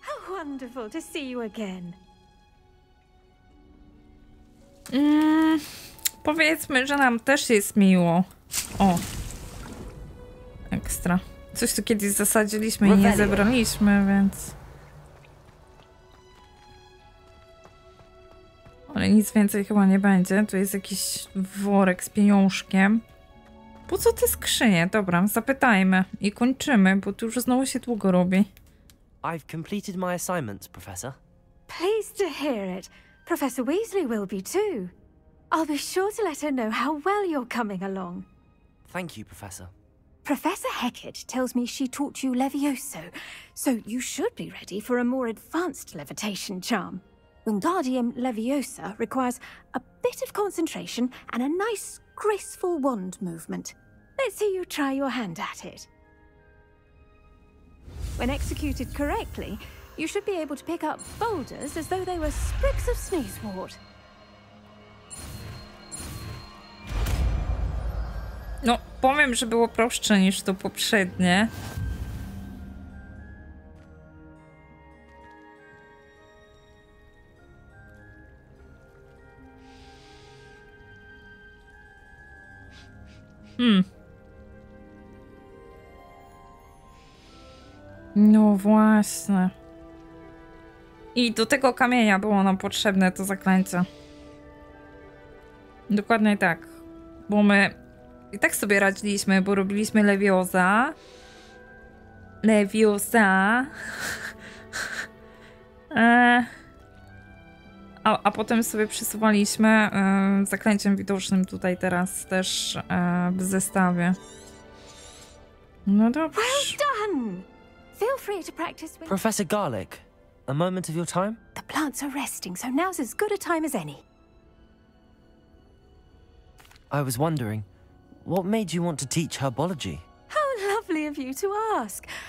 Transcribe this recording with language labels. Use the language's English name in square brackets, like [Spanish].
[English] Wonderful to see you again. [Polish] Powiedzmy, że nam też jest miło. O. Ekstra. Coś tu kiedyś zasadziliśmy i nie zebraliśmy, więc... Ale nic więcej chyba nie będzie. Tu jest jakiś worek z pieniążkiem. Po co te skrzynie? Dobra, zapytajmy i kończymy, bo tu już znowu się długo robi. [English] I've completed my assignment, Professor. Pleased to hear it. Professor Weasley will be too. I'll be sure to let her know how well you're coming along. Thank you, Professor. Professor Hecate tells me she taught you Levioso, so you should be ready for a more advanced levitation charm. Wingardium Leviosa requires a bit of concentration and a nice, graceful wand movement. Let's see you try your hand at it. When executed correctly, you should be able to pick up boulders as though they were sprigs of sneezewort. [Polish] No, powiem, że było prostsze niż to poprzednie. No właśnie. I do tego kamienia było nam potrzebne to zaklęcie. Dokładnie tak. Bo my i tak sobie radziliśmy, bo robiliśmy Leviosa. Leviosa. A potem sobie przesuwaliśmy zaklęciem widocznym tutaj teraz też w zestawie. No dobrze. [English] Well done. Feel free to practice with Professor Garlick. A moment of your time? The plants are resting, so now's as good a time as any. I was wondering, what made you want to teach herbology? How lovely of you to ask.